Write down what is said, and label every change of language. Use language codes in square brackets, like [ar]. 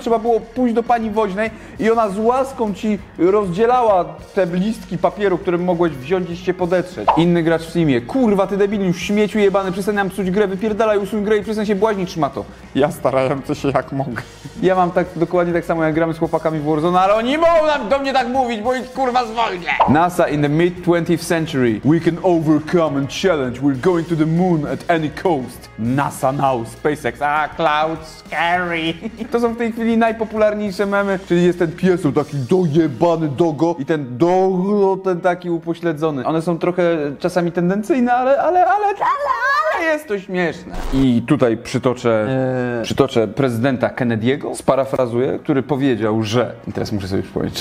[pl] Trzeba było pójść do pani woźnej i ona z łaską ci rozdzielała te listki papieru, które mogłeś wziąć i się podetrzeć. Inny gracz w Simie. Kurwa, ty debiliu, śmieciu jebany, przestań nam psuć grę, wypierdalaj, usuń grę i przestań się błaźnić, szmato. Ja starający się jak mogę. Ja mam tak dokładnie tak samo, jak gramy z chłopakami w Warzone, ale oni mogą do mnie tak mówić, bo ich kurwa zwolnię. [en] NASA in the mid-20th century. We can overcome and challenge. We're going to the moon at any cost. NASA now, SpaceX. Ah, cloud scary. [pl] To są w tej chwili najpopularniejsze memy. Czyli jest ten pies, taki dojebany dogo. I ten dogo, ten taki upośledzony. One są trochę czasami tendencyjne, ale jest to śmieszne. I tutaj przytoczę prezydenta Kennedy'ego, sparafrazuję, który powiedział, że... I teraz muszę sobie przypomnieć.